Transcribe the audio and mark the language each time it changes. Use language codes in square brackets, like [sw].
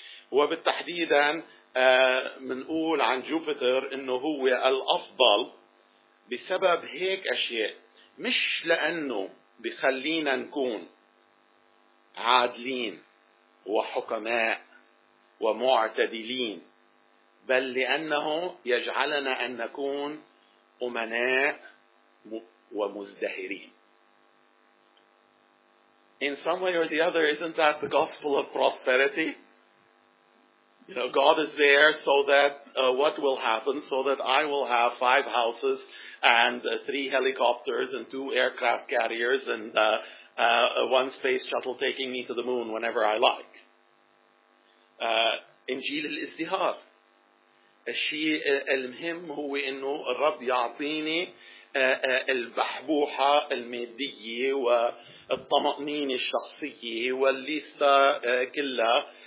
[ar] وبالتحديدا منقول عن جوبيتر إنه هو الأفضل بسبب هيك أشياء، مش لأنه بخلينا نكون عادلين وحكماء ومعتدلين، بل لأنه يجعلنا أن نكون أمناء ومزدهرين. [en] In some way or the other, isn't that the gospel of prosperity? You know, God is there so that what will happen? So that I will have 5 houses and 3 helicopters and 2 aircraft carriers and 1 space shuttle taking me to the moon whenever I like. [ar] إنجيل الازدهار. الشيء المهم هو إنه الرب يعطيني البحبوحة المادية والطمأنينة الشخصية والليستة كلها.